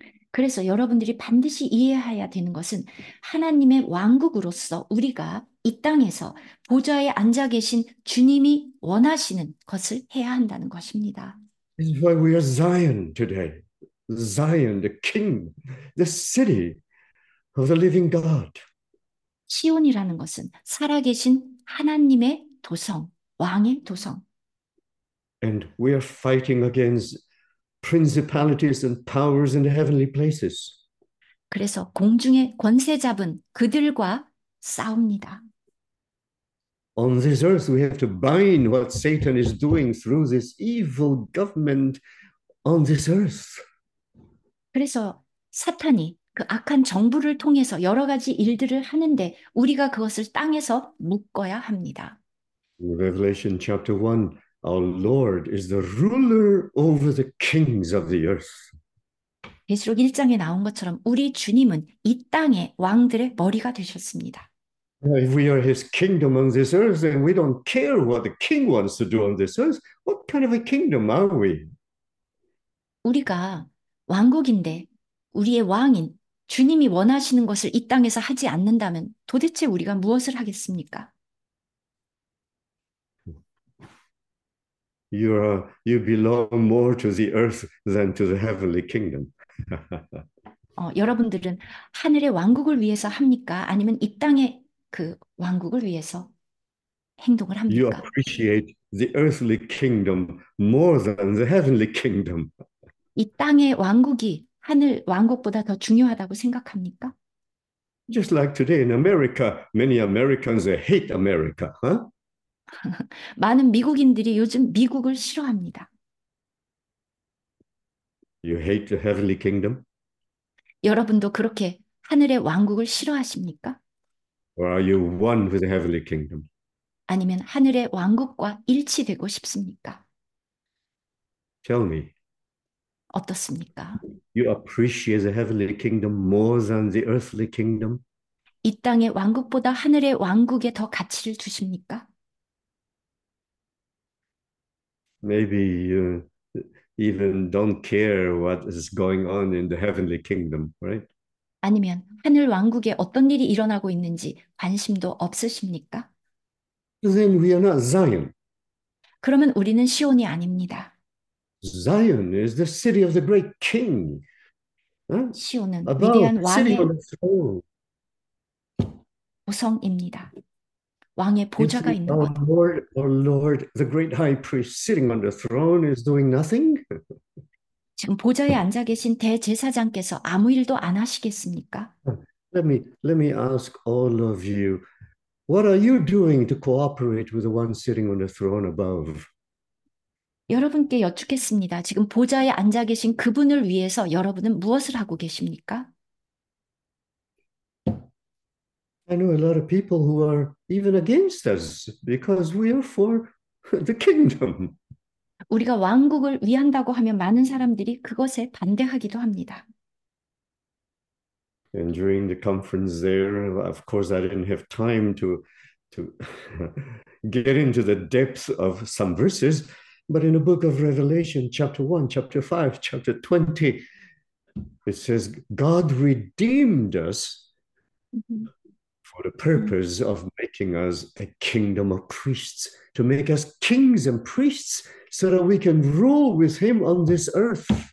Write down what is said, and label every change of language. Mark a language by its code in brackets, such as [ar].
[ko] 그래서 여러분들이 반드시 이해해야 되는 것은 하나님의 왕국으로서 우리가 이 땅에서 보좌에 앉아 계신 주님이 원하시는 것을 해야 한다는 것입니다. [en] This is why we are Zion today. Zion, the king, the city of the living God. [ko] 시온이라는 것은 살아계신 하나님의 도성, 왕의 도성. [en] And we are fighting against principalities and powers in the heavenly places. [ko] 그래서 공중의 권세 잡은 그들과 싸웁니다. [en] On this earth, we have to bind what Satan is doing through this evil government on this earth. [ko] 그래서 사탄이 그 악한 정부를 통해서 여러 가지 일들을 하는데 우리가 그것을 땅에서 묶어야 합니다. [en] Revelation chapter 1, our Lord is the ruler over the kings of the earth. [ko] 계시록 1장에 나온 것처럼 우리 주님은 이 땅의 왕들의 머리가 되셨습니다. [en] If we are his kingdom on this earth, then we don't care what the king wants to do on this earth. What kind of a kingdom are we? [ko] 우리가 왕국인데 우리의 왕인 주님이 원하시는 것을 이 땅에서 하지 않는다면 도대체 우리가 무엇을 하겠습니까? [en] You belong more to the earth than to the heavenly kingdom. [ko] 여러분들은 하늘의 왕국을 위해서 합니까? 아니면 이 땅의 그 왕국을 위해서 행동을 [en] You [ko] 합니까? [en] appreciate the earthly kingdom more than the heavenly kingdom. [ko] 이 땅의 왕국이 하늘 왕국보다 더 중요하다고 생각합니까? [en] Just like today in America, many Americans hate America, huh? [ko] 많은 미국인들이 요즘 미국을 싫어합니다. [en] You hate the heavenly kingdom? [ko] 여러분도 그렇게 하늘의 왕국을 싫어하십니까? [en] Or are you one with the heavenly kingdom? [ko] 아니면 하늘의 왕국과 일치되고 싶습니까? [en] Tell me, [ko] 어떻습니까? [en] you appreciate the heavenly kingdom more than the earthly kingdom? [ko] 이 땅의 왕국보다 하늘의 왕국에 더 가치를 두십니까? [en] Maybe even don't care what is going on in the heavenly kingdom, right? [ko] 아니면 하늘 왕국에 어떤 일이 일어나고 있는지 관심도 없으십니까? [en] Then we are not Zion. [ko] 그러면 우리는 시온이 아닙니다. [en] Zion is the city of the great king, huh? [ko] 시온은 [en] Above, [ko] 위대한 [en] sitting on the throne. [ko] 보성입니다. 왕의 [en] You [ko] 보좌가 [en] see, [ko] 있는 곳. [en] our Lord, the great high priest, sitting on the throne is doing nothing. [ko] 지금 보좌에 앉아 계신 대제사장께서 아무 일도 안 하시겠습니까? [en] Let me ask all of you, what are you doing to cooperate with the one sitting on the throne above? [ko] 여러분께 여쭙겠습니다. 지금 보좌에 앉아 계신 그분을 위해서 여러분은 무엇을 하고 계십니까? [en] I know a lot of people who are even against us because we are for the kingdom. [ko] 우리가 왕국을 위한다고 하면 많은 사람들이 그것에 반대하기도 합니다. [en] And during the conference there, of course, I didn't have time to get into the depths of some verses, but in the book of Revelation, chapter 1, chapter 5, chapter 20, it says, God redeemed us for the purpose of making us a kingdom of priests, to make us kings and priests so that we can rule with him on this earth.